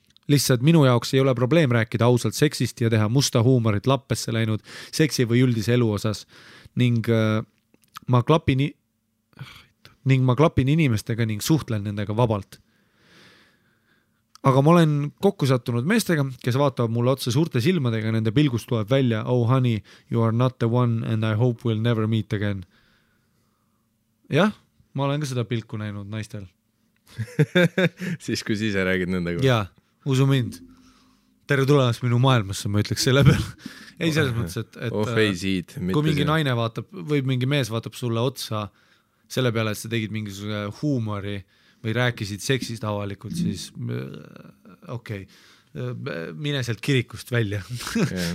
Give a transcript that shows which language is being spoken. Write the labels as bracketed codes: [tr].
[et] Lihtsalt minu jaoks ei ole probleem rääkida ausalt seksist ja teha musta huumorit lappesse läinud seksi või üldise elu osas. Ning ma klapin inimestega ning suhtlen nendega vabalt. Aga ma olen kokku sattunud meestega, kes vaatavad mulle otsa suurte silmadega ja nende pilgust tuleb välja. [en] Oh honey, you are not the one and I hope we'll never meet again. [et] Ja, ma olen ka seda pilku näinud naistel. siis kui siis räägid nendega. Jah. Usu mind. Tere tulemas minu maailmasse, ma ütleks selle peale. Ei selles mõttes, et kui mingi naine vaatab, või mingi mees vaatab sulle otsa selle peale, et sa tegid mingisuguse huumori või rääkisid seksist avalikult, siis okei, okay, mine sealt kirikust välja. Yeah.